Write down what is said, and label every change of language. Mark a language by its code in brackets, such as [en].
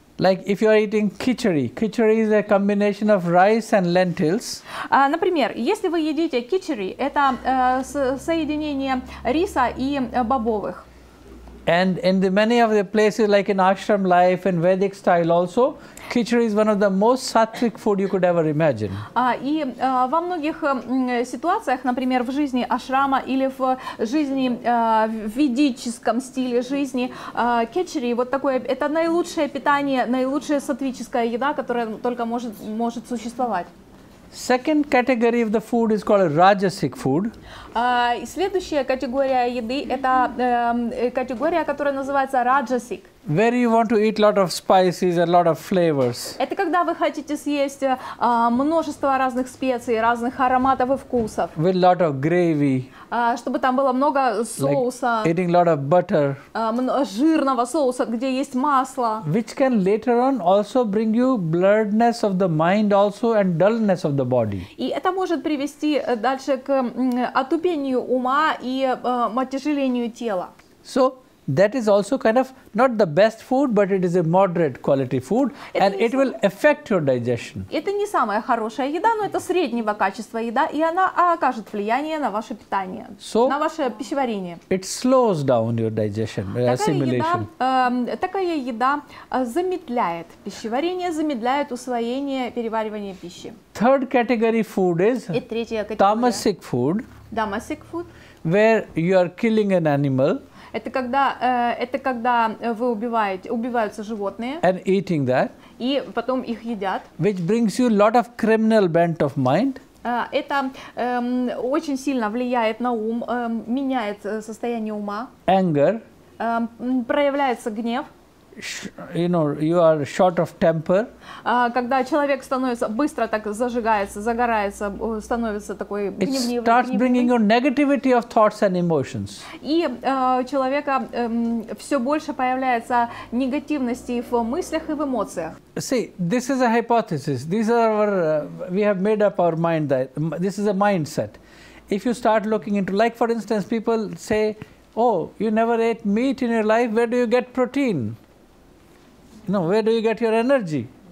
[en] Like if you are eating khichdi, khichdi is a combination of rice and lentils. [ru] Например, если вы едите khichdi, это соединение риса и бобовых. [en] And in the many of the places, like in ashram life and Vedic style also, khichdi is one of the most sattvic food you could ever imagine. [ru] И во многих ситуациях, например, в жизни ашрама или в жизни ведическом стиле жизни, khichdi вот такое, это наилучшее питание, наилучшая сатвическая еда, которая только может существовать. [en] Second category of the food is called rajasic food. [ru] Следующая категория еды это категория, которая называется rajasic. [en] Where you want to eat lot of spices and lot of flavors. [ru] Это когда вы хотите съесть множество разных специй, разных ароматов и вкусов. [en] With lot of gravy. [ru] Чтобы там было много соуса. [en] Like eating lot of butter. [ru] Жирного соуса, где есть масло. [en] Which can later on also bring you blurredness of the mind also and dullness of the body. [ru] И это может привести дальше к отупению ума и отяжелению тела. [en] So that is also kind of not the best food, but it is a moderate quality food, and it will affect your digestion. [ru] Это не самая хорошая еда, но это среднего качества еда, и она окажет влияние на ваше питание, на ваше пищеварение. [en] It slows down your digestion, assimilation. [ru] Такая еда замедляет пищеварение, замедляет усвоение, переваривание пищи. [en] Third category food is tamasic food. Tamasic food. Where you are killing an animal. [ru] Это когда вы убиваются животные. [en] And eating that. [ru] И потом их едят. [en] Which brings you a lot of criminal bent of mind. [ru] Это очень сильно влияет на ум, меняет состояние ума. [en] Anger. [ru] Проявляется гнев. [en] You know, you are short of temper. [ru] Когда человек становится быстро так зажигается, загорается, становится такой гневливый. [en] It starts bringing you negativity of thoughts and emotions. [ru] И человека все больше появляется негативности в мыслях и в эмоциях. [en] See, this is a hypothesis. These are our, we have made up our mind that this is a mindset. If you start looking into, like for instance, people say, "Oh, you never ate meat in your life. Where do you get protein?" No, where do you get your energy?